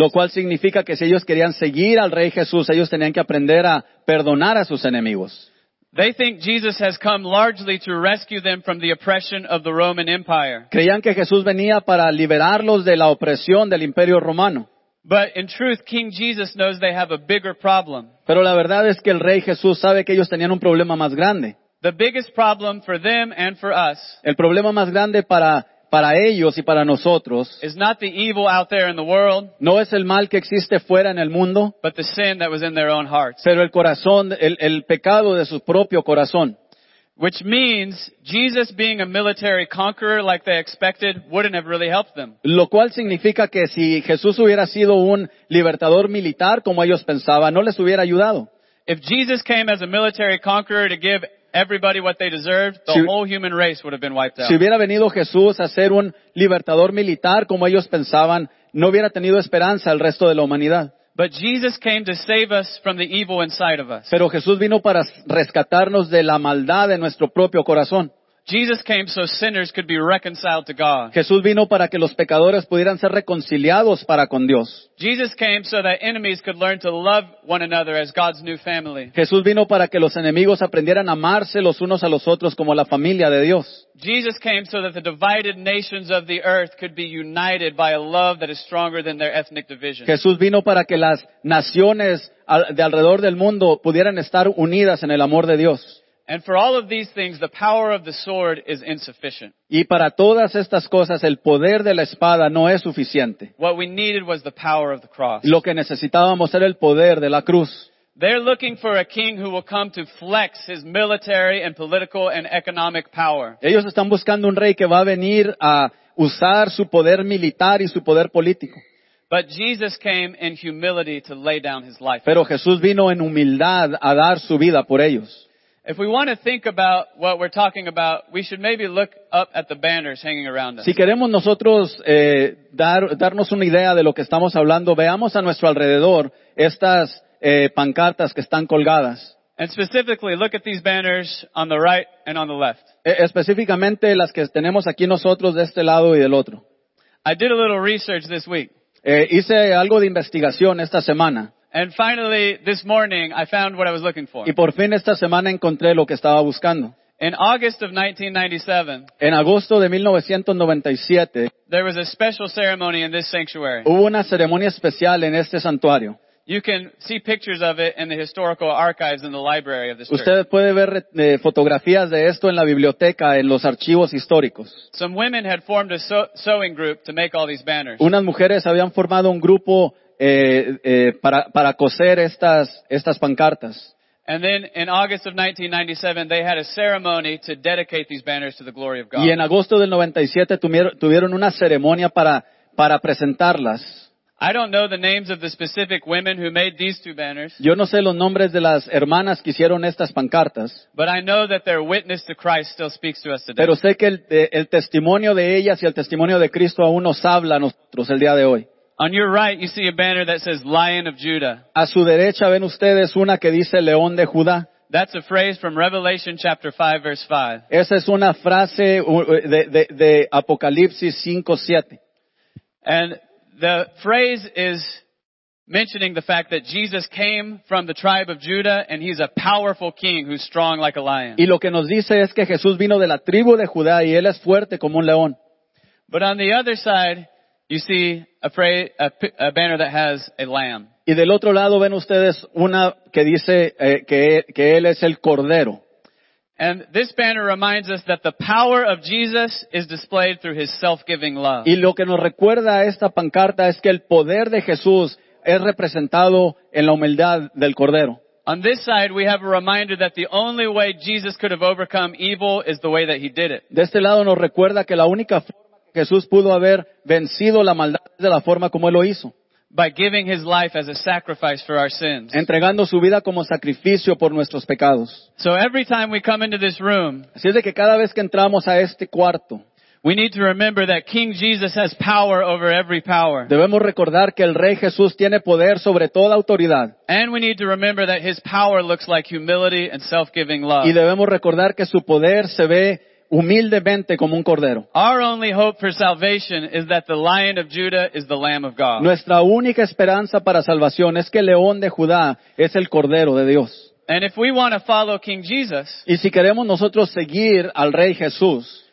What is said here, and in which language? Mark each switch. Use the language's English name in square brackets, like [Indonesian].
[Spanish] Lo cual significa que si ellos querían seguir al Rey Jesús, ellos tenían que aprender a perdonar a sus enemigos. [English] They think Jesus has come largely to rescue them from the oppression of the Roman Empire. [Spanish] Creían que Jesús venía para liberarlos de la opresión del Imperio Romano. [English] But in truth, King Jesus knows they have a bigger problem. [Spanish] Pero la verdad es que el Rey Jesús sabe que ellos tenían un problema más grande. [English] The biggest problem for them and for us. [Spanish] El problema más grande para ellos y para nosotros. [English] Is not the evil out there in the world. [Spanish] No es el mal que existe fuera en el mundo. [English] But the sin that was in their own hearts. [Spanish] Pero el corazón, el pecado de su propio corazón. [English] Which means Jesus being a military conqueror like they expected wouldn't have really helped them. [Spanish] Lo cual significa que si Jesús hubiera sido un libertador militar como ellos pensaban, no les hubiera ayudado. [English] If Jesus came as a military conqueror to give everybody what they deserved, the whole human race would have been wiped out. [Spanish] Si hubiera venido Jesús a ser un libertador militar como ellos pensaban, no hubiera tenido esperanza el resto de la humanidad. [English] But Jesus came to save us from the evil inside of us. [Spanish] Pero Jesús vino para rescatarnos de la maldad de nuestro propio corazón. [English] Jesus came so sinners could be reconciled to God. [Spanish] Jesús vino para que los pecadores pudieran ser reconciliados para con Dios. [English] Jesus came so that enemies could learn to love one another as God's new family. [Spanish] Jesús vino para que los enemigos aprendieran a amarse los unos a los otros como la familia de Dios. [English] Jesus came so that the divided nations of the earth could be united by a love that is stronger than their ethnic division. [Spanish] Jesús vino para que las naciones de alrededor del mundo pudieran estar unidas en el amor de Dios. [English] And for all of these things, the power of the sword is insufficient. [Spanish] Y para todas estas cosas, el poder de la espada no es suficiente. [English] What we needed was the power of the cross. [Spanish] Lo que necesitábamos era el poder de la cruz. [English] They're looking for a king who will come to flex his military and political and economic power. [Spanish] Ellos están buscando un rey que va a venir a usar su poder militar y su poder político. [English] But Jesus came in humility to lay down his life. [Spanish] Pero Jesús vino en humildad a dar su vida por ellos. [English] If we want to think about what we're talking about, we should maybe look up at the banners hanging around us. [Spanish] Si queremos nosotros darnos una idea de lo que estamos hablando, veamos a nuestro alrededor estas pancartas que están colgadas. [English] And specifically, look at these banners on the right and on the left. [Spanish] Específicamente las que tenemos aquí nosotros de este lado y del otro. [English] I did a little research this week. [Spanish] Hice algo de investigación esta semana. [English] And finally, this morning, I found what I was looking for. [Spanish] Y por fin esta semana encontré lo que estaba buscando. [English] In August of 1997, [Spanish] en agosto de 1997, [English] there was a special ceremony in this sanctuary. [Spanish] Hubo una ceremonia especial en este santuario. [English] You can see pictures of it in the historical archives in the library of this church. [Spanish] Usted puede ver fotografías de esto en la biblioteca, en los archivos históricos. [English] Some women had formed a sewing group to make all these banners. [Spanish] Unas mujeres habían formado un grupo para coser estas pancartas. [English] And then in August of 1997 they had a ceremony to dedicate these banners to the glory of God. [Spanish] Y en agosto del 97 tuvieron una ceremonia para presentarlas. [English] I don't know the names of the specific women who made these two banners. [Spanish] Yo no sé los nombres de las hermanas que hicieron estas pancartas. [English] But I know that their witness to Christ still speaks to us today. [Spanish] Pero sé que el testimonio de ellas y el testimonio de Cristo aún nos habla a nosotros el día de hoy. [English] On your right, you see a banner that says Lion of Judah. [Spanish] A su derecha ven ustedes una que dice León de Judá. [English] That's a phrase from Revelation chapter 5 verse 5. [Spanish] Esa es una frase de Apocalipsis 5:7. [English] And the phrase is mentioning the fact that Jesus came from the tribe of Judah and he's a powerful king who's strong like a lion. [Spanish] Y lo que nos dice es que Jesús vino de la tribu de Judá y él es fuerte como un león. [English] But on the other side, you see a banner that has a lamb. [Spanish] Y del otro lado ven ustedes una que dice que él es el cordero. [English] And this banner reminds us that the power of Jesus is displayed through his self-giving love. [Spanish] Y lo que nos recuerda a esta pancarta es que el poder de Jesús es representado en la humildad del cordero. [English] On this side, we have a reminder that the only way Jesus could have overcome evil is the way that he did it. [Spanish] De este lado nos recuerda que la única Jesús pudo haber vencido la maldad de la forma como él lo hizo. [English] By giving his life as a sacrifice for our sins. [Spanish] Entregando su vida como sacrificio por nuestros pecados. [English] So every time we come into this room, [Spanish] así es de que cada vez que entramos a este cuarto, [English] we need to remember that King Jesus has power over every power. [Spanish] Debemos recordar que el Rey Jesús tiene poder sobre toda autoridad. [English] And we need to remember that his power looks like humility and self-giving love. [Spanish] Y debemos recordar que su poder se ve humildemente como un cordero. [English] Our only hope for salvation is that the Lion of Judah is the Lamb of God. [Spanish] Nuestra única esperanza para salvación es que el León de Judá es el Cordero de Dios. [English] And if we want to follow King Jesus, [Spanish] y si queremos nosotros seguir al Rey Jesús,